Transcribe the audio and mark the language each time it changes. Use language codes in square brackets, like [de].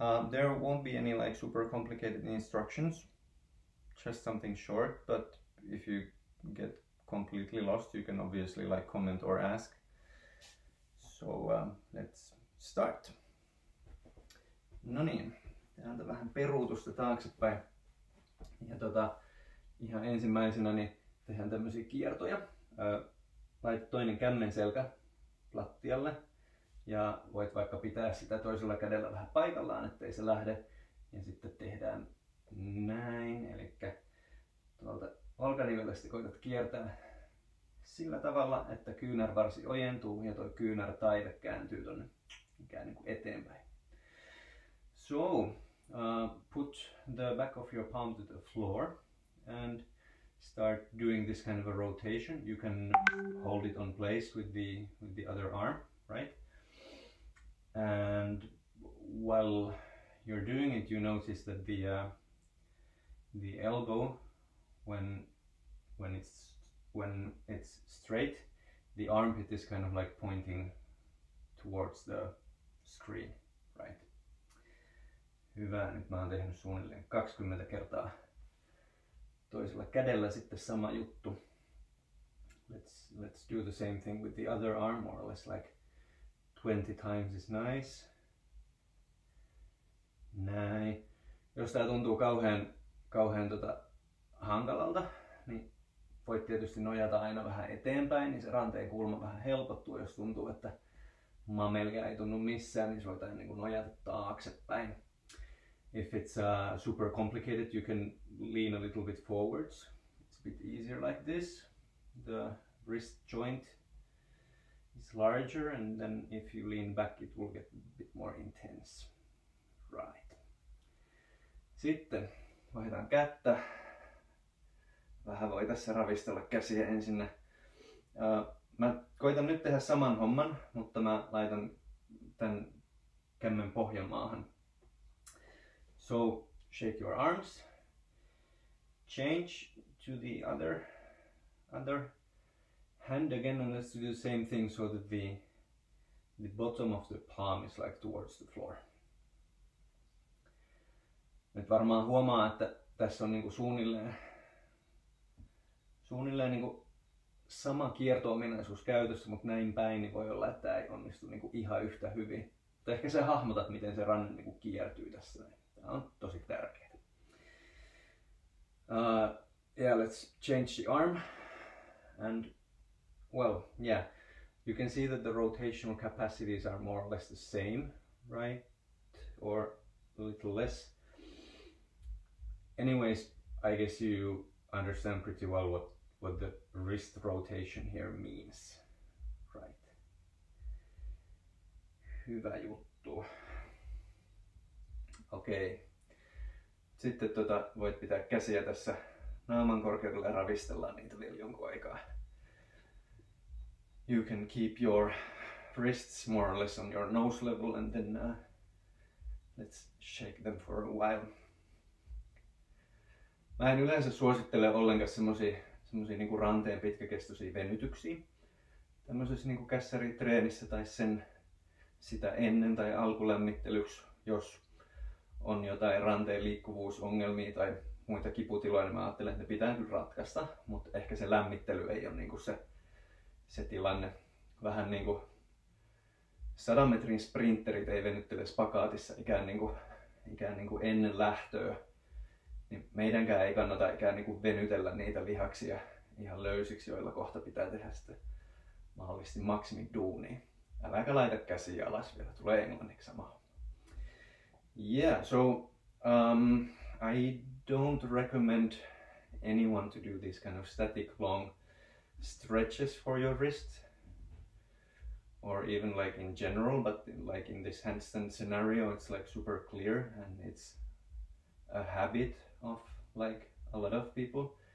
[en] There won't be any like super complicated instructions. Just something short, but if you get completely lost, you can obviously like comment or ask. So let's start. [fi] No niin, täältä vähän peruutusta taaksepäin. Ja ihan ensimmäisenä niin tehdään tämmöisiä kiertoja. Laita toinen kämmen selkä lattialle. Ja voit vaikka pitää sitä toisella kädellä vähän paikallaan, ettei se lähde. Ja sitten tehdään näin, eli tuolta olkariveltä sitten koitat kiertää sillä tavalla, että kyynärvarsi ojentuu ja tuo kyynärtaive kääntyy tuonne ikään niin kuin eteenpäin. [en] So, put the back of your palm to the floor and start doing this kind of a rotation. You can hold it on place with the other arm, right? And while you're doing it, you notice that the elbow, when it's straight, the armpit is kind of like pointing towards the screen, right? [fi] Hyvä, nyt mä oon tehnyt suunnilleen 20 kertaa toisella kädellä sitten sama juttu. [en] Let's do the same thing with the other arm, more or less like 20 times is nice. [fi] Näin. Jos tää tuntuu kauhean hankalalta, niin voit tietysti nojata aina vähän eteenpäin, niin se ranteen kulma vähän helpottuu. Jos tuntuu, että mamelia ei tunnu missään, niin se voit aina nojata taaksepäin. [en] If it's super complicated, you can lean a little bit forwards. It's a bit easier like this. The wrist joint is larger, and then if you lean back, it will get a bit more intense. Right. [fi] Sitten vaihdetaan kättä. Vähän voi tässä ravistella käsiä ensin. Mä koitan nyt tehdä saman homman, mutta mä laitan tän kämmen pohjan maahan. [en] So, shake your arms. Change to the other hand again, and let's do the same thing so that the bottom of the palm is like towards the floor. [fi] Nyt varmaan huomaa, että tässä on niinku suunnilleen niinku sama kierto-ominaisuus käytössä, mutta näin päin niin voi olla, että tämä ei onnistu niinku ihan yhtä hyvin. Mutta ehkä sä hahmotat, miten se ranne niinku kiertyy tässä. Tämä on tosi tärkeää. [en] Yeah, let's change the arm. And, well, yeah, you can see that the rotational capacities are more or less the same, right? Or a little less. Anyways, I guess you understand pretty well what the wrist rotation here means, right? [fi] Hyvä juttu. Okei. Okay. Sitten voit pitää käsiä tässä naaman korkeudella ja ravistellaan niitä vielä jonkun aikaa. [en] You can keep your wrists more or less on your nose level and then let's shake them for a while. [fi] Mä en yleensä suosittele ollenkaan semmosia niinku ranteen pitkäkestoisia venytyksiä. Tämmöisessä niinku kässäritreenissä tai sen sitä ennen tai alkulämmittelyksi, jos on jotain ranteen liikkuvuusongelmia tai muita kiputiloja, niin mä ajattelen, että ne pitää kyllä ratkaista, mutta ehkä se lämmittely ei ole niinku se tilanne. Vähän niinku 100 metrin sprinterit ei venyttele spakaatissa ikään niinku ennen lähtöä. Niin meidänkään ei kannata ikään niin kuin venytellä niitä lihaksia ihan löysiksi, joilla kohta pitää tehdä sitten mahdollisesti maksimiduunia. Äläkä laita käsiä alas vielä, tulee englanniksi samaa. [en] Yeah, so I don't recommend anyone to do this kind of static long stretches for your wrist. Or even like in general, but like in this handstand scenario, it's like super clear and it's a habit of like a lot of people.